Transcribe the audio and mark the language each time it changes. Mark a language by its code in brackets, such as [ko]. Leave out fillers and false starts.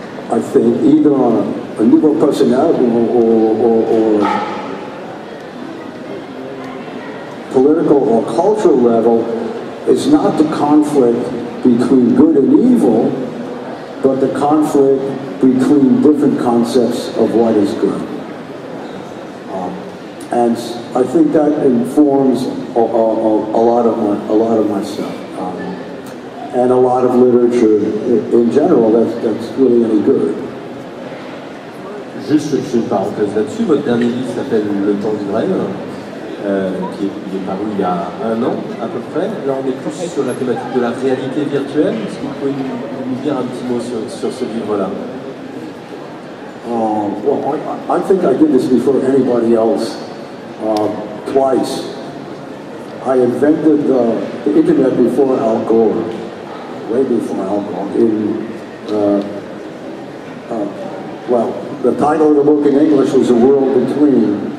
[en] I think, either a nouveau personnage or political or cultural level is not the conflict between good and evil, but the conflict between different concepts of what is good. And I think that informs a lot of my stuff. And a lot of literature in general that's really any good. [fr] Juste une petite parenthèse là-dessus, votre dernier livre s'appelle Le temps du rêve, qui est paru il y a un an à peu près. Là on est plus sur la thématique de la réalité virtuelle. Est-ce que vous pouvez nous dire un petit mot sur ce livre-là? [en] I think I did this before anybody else, twice. I invented the internet before Al Gore, way before Al Gore. The title of the book in English was A World Between.